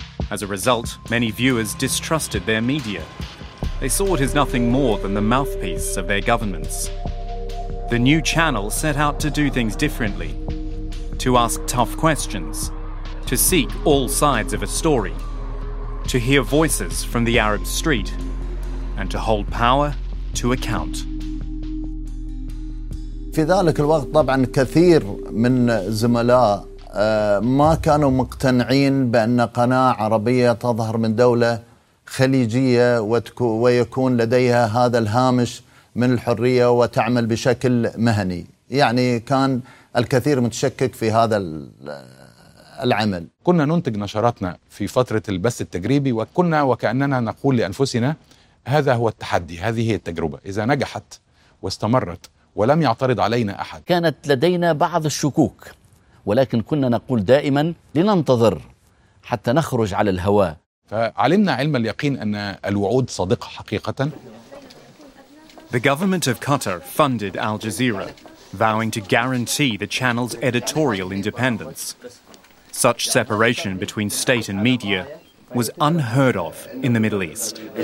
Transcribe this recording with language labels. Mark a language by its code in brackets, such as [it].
[en] As a result, many viewers distrusted their media. They saw it as nothing more than the mouthpiece of their governments. The new channel set out to do things differently, to ask tough questions, to seek all sides of a story, to hear voices from the Arab street, and to hold power to account. [ar] في ذلك الوقت طبعا كثير من زملاء ما كانوا مقتنعين بان قناه عربيه تظهر من دوله خليجيه ويكون لديها هذا الهامش من الحرية وتعمل بشكل مهني يعني كان الكثير متشكك في هذا العمل كنا ننتج نشراتنا في فترة البث التجريبي وكنا وكأننا نقول لأنفسنا هذا هو التحدي هذه هي التجربة إذا نجحت واستمرت ولم يعترض علينا أحد كانت لدينا بعض الشكوك ولكن كنا نقول دائما لننتظر حتى نخرج على الهواء فعلمنا علم اليقين أن الوعود صادقة حقيقة [en] The government of Qatar funded Al Jazeera, vowing to guarantee the channel's editorial independence. Such separation between state and media was unheard of in the Middle East.